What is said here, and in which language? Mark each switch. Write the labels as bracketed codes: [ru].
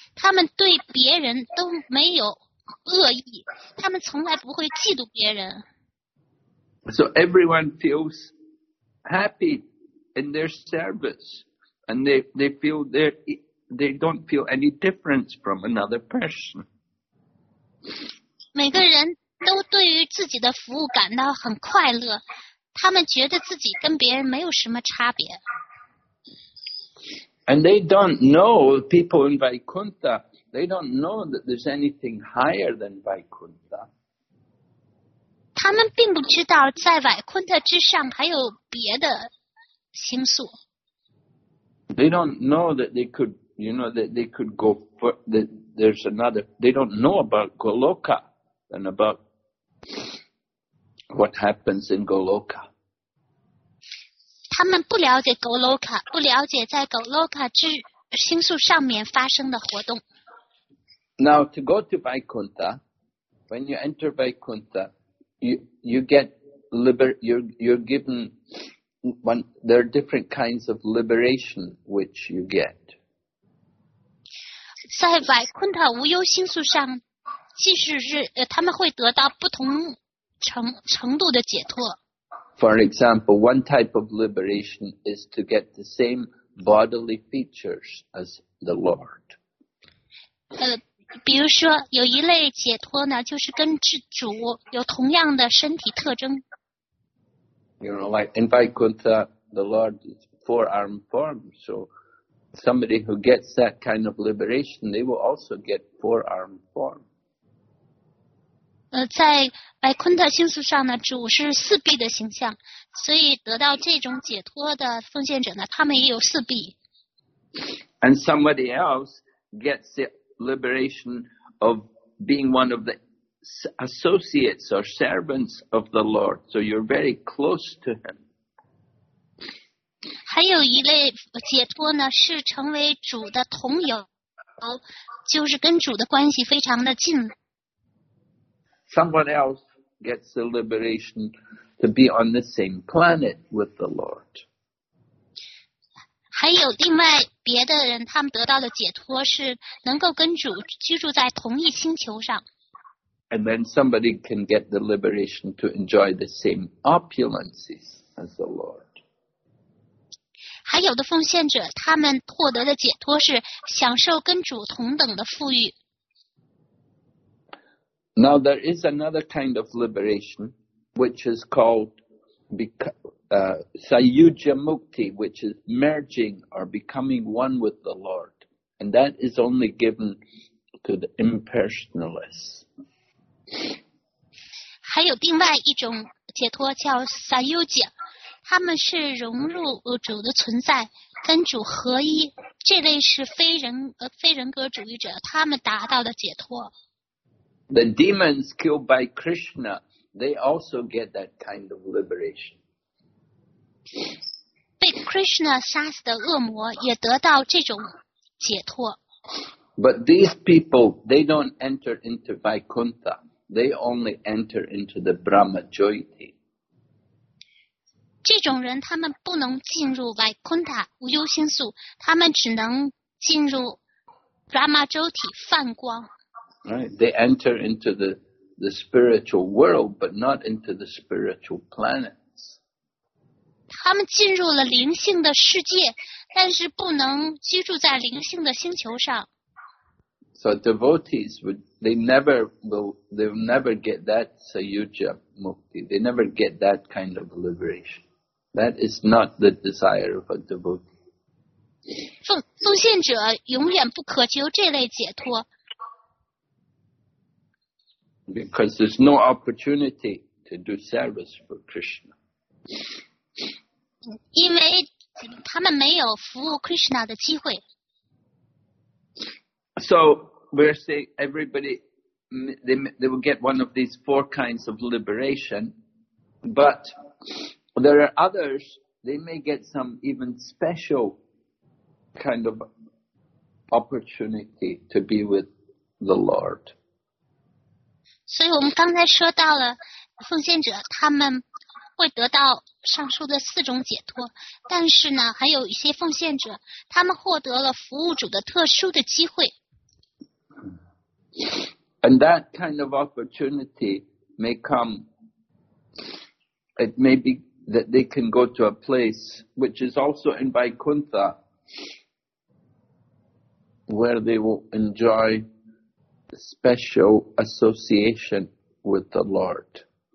[en] They don't have any bad feeling towards others. They never envy others. So, everyone feels happy in their service, and they don't feel any difference from another person. [zh] 每个人都对于自己的服务感到很快乐，他们觉得自己跟别人没有什么差别。 [en] And they don't know people in Vaikuntha. They don't know that there's anything higher than Vaikuntha. [zh] 他们并不知道在 Vaikuntha 之上还有别的星宿。 [en] They don't know that they could, you know, that they could go for the. There's another, they don't know about Goloka and about what happens in Goloka. [zh] 他们不了解 Goloka, 不了解在 Goloka 之星宿上面发生的活动。 [en] Now, to go to Vaikuntha, when you enter Vaikuntha, there are different kinds of liberation which you get. [zh] 在百昆塔无忧星宿上，即使是他们会得到不同程度的解脱。 [en] For example, one type of liberation is to get the same bodily features as the Lord. [zh] 比如说有一类解脱呢，就是跟主有同样的身体特征。 [en] You know, like in Vaikuntha, the Lord is four-arm form. So somebody who gets that kind of liberation, they will also get four-arm form. [zh] 在 Vaikuntha 星宿上呢，主是四臂的形象，所以得到这种解脱的奉献者呢，他们也有四臂。 [en] And somebody else gets the liberation of being one of the associates or servants of the Lord. So you're very close to him. [zh] 还有一类解脱呢，是成为主的同友，就是跟主的关系非常的近。 [en] Someone else gets the liberation to be on the same planet with the Lord. [zh] 还有另外别的人，他们得到的解脱是能够跟主居住在同一星球上。 [en] And then somebody can get the liberation to enjoy the same opulences as the Lord. [zh] 还有的奉献者，他们获得的解脱是享受跟主同等的富裕。 [en] Now there is another kind of liberation, which is called Sayujya Mukti, which is merging or becoming one with the Lord. And that is only given to the impersonalists. [zh] 还有另外一种解脱叫 Sayujya， 他们是融入主的存在，跟主合一，这类是非人格主义者，他们达到的解脱。 [en] The demons killed by Krishna, they also get that kind of liberation. [zh] 被 Krishna 杀死的恶魔也得到这种解脱。 [en] But these people, they don't enter into Vaikuntha. They only enter into the Brahma Jyoti. [zh] 这种人他们不能进入 Vaikuntha 无忧星宿，他们只能进入 Brahma Jyoti 梵光。 [en] Right, they enter into the spiritual world, but not into the spiritual planets. [zh] 他们进入了灵性的世界，但是不能居住在灵性的星球上。 [en] So devotees would they'll never get that Sayujya Mukti. They never get that kind of liberation. That is not the desire of a devotee. [zh] 奉献者永远不渴求这类解脱。 [en] Because there's no opportunity to do service for Krishna. [zh] 因为他们没有服务 Krishna 的机会。 [en] So. We're saying everybody, they will get one of these four kinds of liberation, but there are others, they may get some even special kind of opportunity to be with the Lord. [zh] 所以我们刚才说到了奉献者，他们会得到上述的四种解脱，但是呢，还有一些奉献者，他们获得了服务主的特殊的机会。 [en] And that kind of opportunity may come, it may be that they can go to a place which is also in Vaikuntha where they will enjoy special association with the Lord.